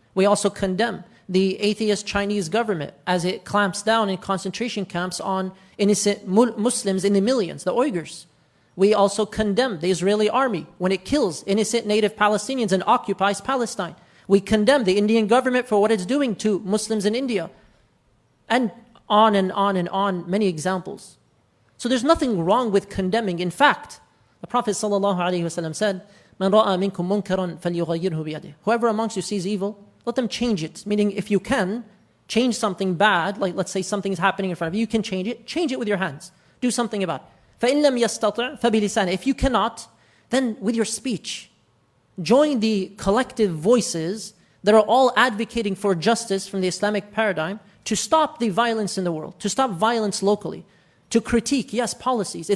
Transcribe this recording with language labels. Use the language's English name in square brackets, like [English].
[English] We also condemn the atheist Chinese government as it clamps down in concentration camps on innocent Muslims in the millions, the Uyghurs. We also condemn the Israeli army when it kills innocent native Palestinians and occupies Palestine. We condemn the Indian government for what it's doing to Muslims in India. And on and on and on, many examples. So there's nothing wrong with condemning. In fact, the Prophet ﷺ said, [Arabic] مَنْ رَأَى مِنْكُمْ مُنْكَرًا فَلْيُغَيِّرْهُ بِيَدِهِ. [English] Whoever amongst you sees evil, let them change it. Meaning, if you can change something bad, like let's say something's happening in front of you, you can change it with your hands. Do something about it. [Arabic] فَإِنْ لَمْ يَسْتَطِعْ فَبِلِسَانِ. [English] If you cannot, then with your speech. Join the collective voices that are all advocating for justice from the Islamic paradigm to stop the violence in the world, to stop violence locally, to critique, yes, policies.